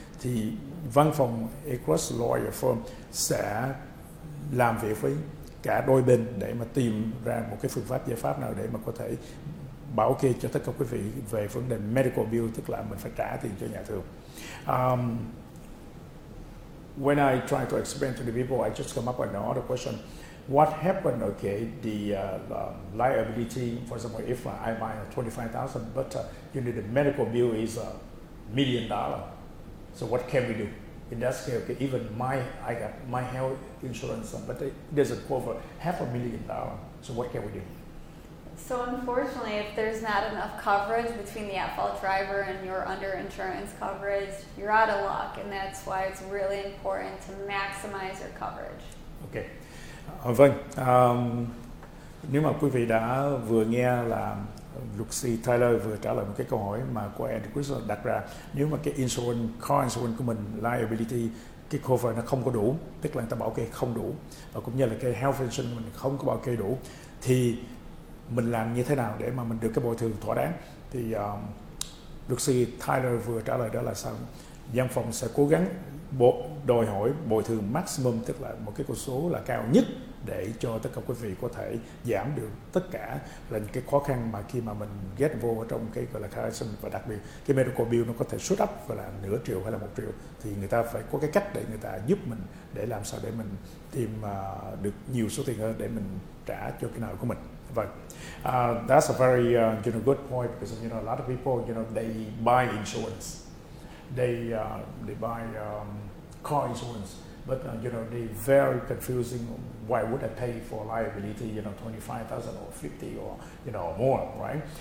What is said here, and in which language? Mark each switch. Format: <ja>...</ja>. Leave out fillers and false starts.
<vi>Thì văn phòng Agruss Lawyer Firm sẽ làm việc với cả đôi bên để mà tìm ra một cái phương pháp, giải pháp nào để mà có thể bảo kê cho tất cả quý vị về vấn đề medical bill, tức là mình phải trả tiền cho nhà thương.</vi> <en>When I try to explain to the people, I just come up with another question. What happened, okay, the liability, for example, if I buy $25,000, but you need the medical bill is $1 million. So what can we do? In that case, okay, even I got my health insurance, but it doesn't cover $500,000. So what can we do? So unfortunately, if there's not enough coverage between the at-fault driver and your under-insurance coverage, you're out of luck, and that's why it's really important to maximize your coverage. Okay.</en> <vi>Vâng, nếu mà quý vị đã vừa nghe là luật sư Tyler vừa trả lời một cái câu hỏi mà của Andy Crystal đặt ra, nếu mà cái insurance, car insurance của mình, liability, cái cover nó không có đủ, tức là người ta bảo kê không đủ, và cũng như là cái health insurance của mình không có bảo kê đủ, thì mình làm như thế nào để mà mình được cái bồi thường thỏa đáng? Thì luật sư Tyler vừa trả lời đó là sao? Văn phòng sẽ cố gắng đòi hỏi bồi thường maximum, tức là một cái con số là cao nhất để cho tất cả quý vị có thể giảm được tất cả là những cái khó khăn mà khi mà mình get vô trong cái gọi là car insurance, và đặc biệt cái medical bill nó có thể</vi> <en>shoot up</en> <vi>và là nửa triệu hay là một triệu, thì người ta phải có cái cách để người ta giúp mình để làm sao để mình tìm được nhiều số tiền hơn để mình trả cho cái nợ của mình. Vâng.</vi> <en>That's a very you know, good point, because you know a lot of people, you know, they buy insurance. They buy car insurance, but you know, they very confusing. Why would I pay for liability? You know, $25,000 or $50,000 or you know more, right?</en>